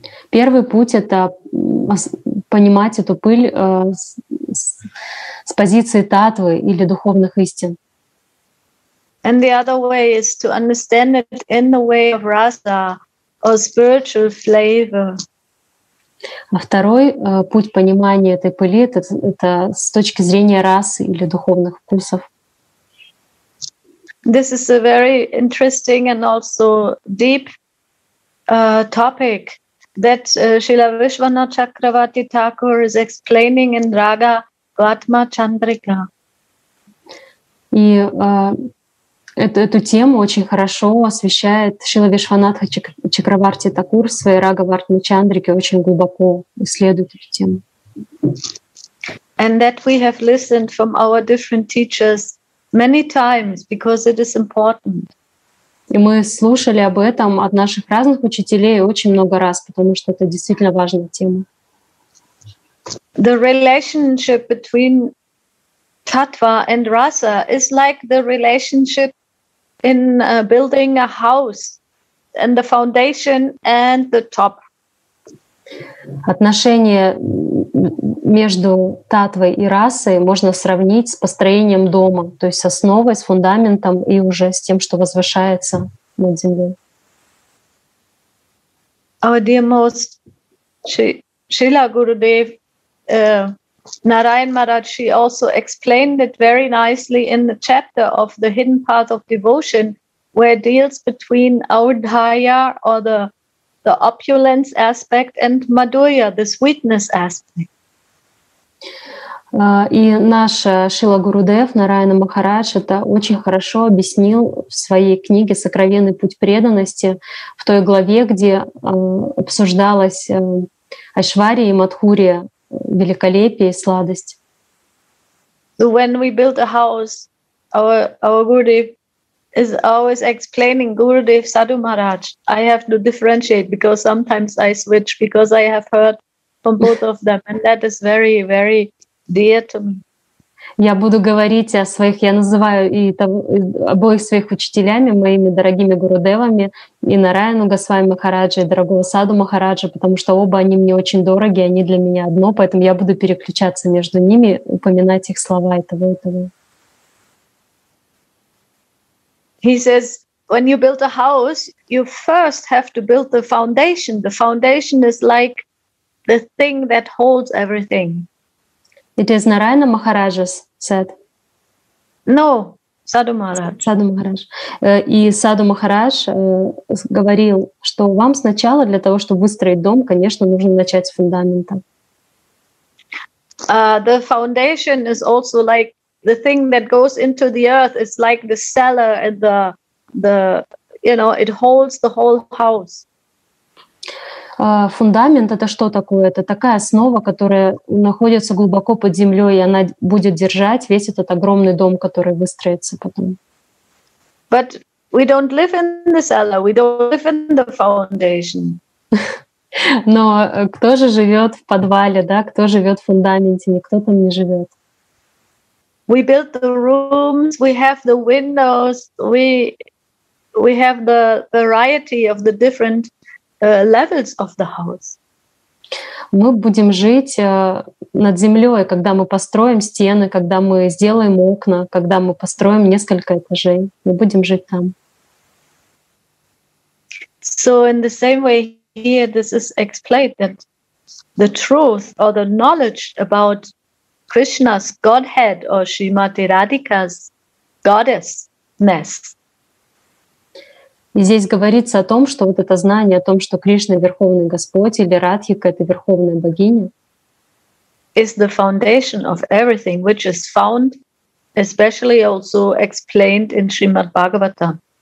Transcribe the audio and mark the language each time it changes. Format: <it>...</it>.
<ru>Первый путь — это понимать эту пыль с позиции таттвы или духовных истин.</ru> <en>And the other way is to understand it in the way of rasa or spiritual flavor.</en> <ru>А второй путь понимания этой пыли — это с точки зрения расы или духовных вкусов.</ru> <en>This is a very interesting and also deep topic that Srila Vishwanath Chakravarti Thakur is explaining in Raga Vatma Chandrika.</en> <ru>И эту тему очень хорошо освещает Шрила Вишванатха Чакраварти Такур в своей Рага Ватма Чандрике, очень глубоко исследует эту тему.</ru> <en>And that we have listened from our different teachers many times, because it is important.</en> <ru>И мы слушали об этом от наших разных учителей очень много раз, потому что это действительно важная тема.</ru> <en>The relationship between tattva and rasa is like the relationship in building a house, and the foundation and the top.</en> <ru>Отношение между таттвой и расой можно сравнить с построением дома, то есть с основой, с фундаментом и уже с тем, что возвышается над землей.</ru> <en>Our dear most Srila Gurudev Narayan Maharaj, she also explained it very nicely in the chapter of the Hidden Path of Devotion, where it deals between Audhaya or the opulence aspect and Madhurya, the sweetness aspect.</en> <ru>И наша Шрила Гурудев Нараяна Махарадж это очень хорошо объяснил в своей книге «Сокровенный путь преданности» в той главе, где обсуждалась Айшвария и Мадхурия, великолепие и сладость.</ru> <en>So when we build a house, our Gurudev is always explaining Gurudev Sadhu Maharaj. I have to differentiate because sometimes I switch because I have heard from both of them, and that is very, very dear to me.</en> <ru>Я буду говорить о своих, я называю и обоих своих учителями, моими дорогими Гурудевами, и Нараяну Госвами Махараджи, и дорогого Саду Махараджи, потому что оба они мне очень дороги, они для меня одно, поэтому я буду переключаться между ними, упоминать их слова и того, и того.</ru> <en>He says, when you build a house, you first have to build the foundation. The foundation is like the thing that holds everything. It is Narayana Maharaj said. No, Sadhu Maharaj. Sadhu Maharaj.</en> <ru>И Sadhu Maharaj говорил, что вам сначала для того, чтобы выстроить дом, конечно, нужно начать с фундамента.</ru> <en>The foundation is also like the thing that goes into the earth. It's like the cellar and the you know, it holds the whole house.</en> <ru>Фундамент — это что такое? Это такая основа, которая находится глубоко под землей, и она будет держать весь этот огромный дом, который выстроится потом.</ru> <en>But We don't live in the cellar, we don't live in the foundation.</en> <ru>Но кто же живет в подвале, да? Кто живет в фундаменте? Никто там не живет.</ru> <en>We built the rooms, we have the windows, we have the variety of the different levels of the house.</en> <ru>Мы будем жить над землей, когда мы построим стены, когда мы сделаем окна, когда мы построим несколько этажей. Мы будем жить там.</ru> <en>So in the same way here, this is explained that the truth or the knowledge about Krishna's Godhead or Shrimati Radhika's goddessness.</en> <ru>И здесь говорится о том, что вот это знание о том, что Кришна — Верховный Господь или Радхика — это Верховная Богиня.</ru> <en>Is the foundation of everything which is found, especially also explained in Shrimad Bhagavatam.</en>